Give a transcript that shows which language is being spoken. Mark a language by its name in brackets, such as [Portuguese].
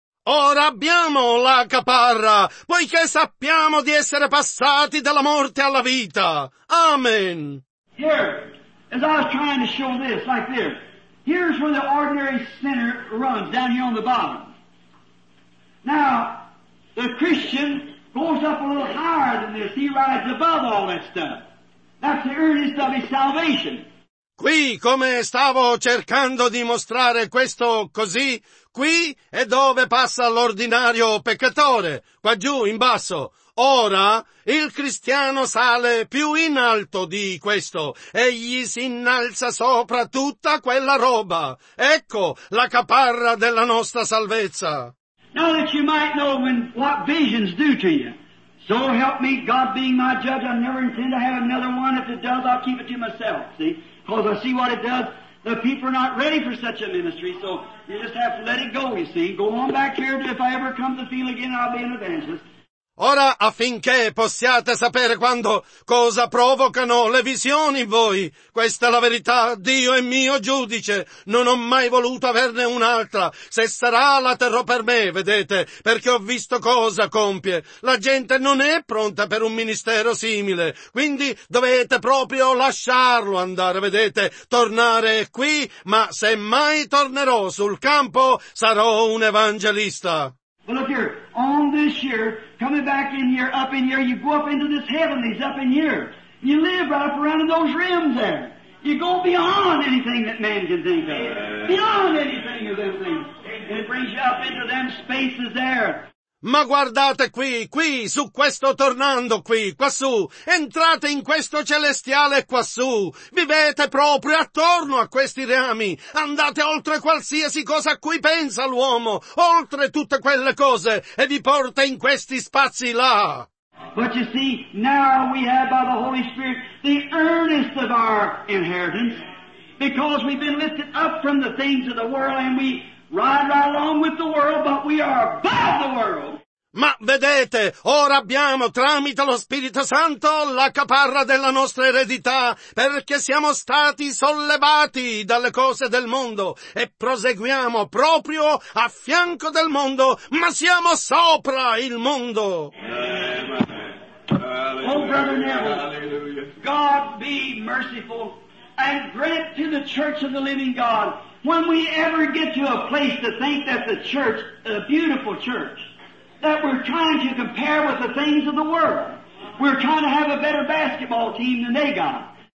[Italian] Ora abbiamo la caparra, poiché sappiamo di essere passati dalla morte alla vita. Amen. [English] Here, as I was trying to show this, like this, here's where the ordinary sinner runs, down here on the bottom. Now, the Christian goes up a little higher than this. He rides above all that stuff. That's the earnest of his salvation. [Italian] Qui, come stavo cercando di mostrare questo così, qui è dove passa l'ordinario peccatore, qua giù, in basso. Ora, il cristiano sale più in alto di questo, egli si innalza sopra tutta quella roba. Ecco la caparra della nostra salvezza. [English] Now that you might know when, what visions do to you. So help me, God being my judge, I never intend to have another one. If it does, I'll keep it to myself, see? Because I see what it does. The people are not ready for such a ministry, so you just have to let it go, you see? Go on back here, if I ever come to feel again, I'll be an evangelist. [Italian] Ora, affinché possiate sapere quando cosa provocano le visioni in voi, questa è la verità, Dio è mio giudice, non ho mai voluto averne un'altra, se sarà la terrò per me, vedete, perché ho visto cosa compie, la gente non è pronta per un ministero simile, quindi dovete proprio lasciarlo andare, vedete, tornare qui, ma se mai tornerò sul campo, sarò un evangelista. [English] But look here, on this year, coming back in here, up in here, you go up into this heaven, he's up in here. You live right up around in those rims there. You go beyond anything that man can think of. Beyond anything of them things. And it brings you up into them spaces there. [Italian] Ma guardate qui, qui, su questo tornando qui, quassù, entrate in questo celestiale quassù, vivete proprio attorno a questi rami, andate oltre qualsiasi cosa a cui pensa l'uomo, oltre tutte quelle cose, e vi porta in questi spazi là. [English] But you see, now we have by the Holy Spirit the earnest of our inheritance, because we've been lifted up from the things of the world and we ride right along with the world, but we are above the world. [Italian] Ma vedete, ora abbiamo tramite lo Spirito Santo la caparra della nostra eredità, perché siamo stati sollevati dalle cose del mondo e proseguiamo proprio a fianco del mondo, ma siamo sopra il mondo. Amen. [English] Oh, brother Neville, God be merciful and grant to the Church of the Living God. When we ever get to a place to think that the church, a beautiful church, that we're trying to compare with the things of the world, we're trying to have a better basketball team than they got.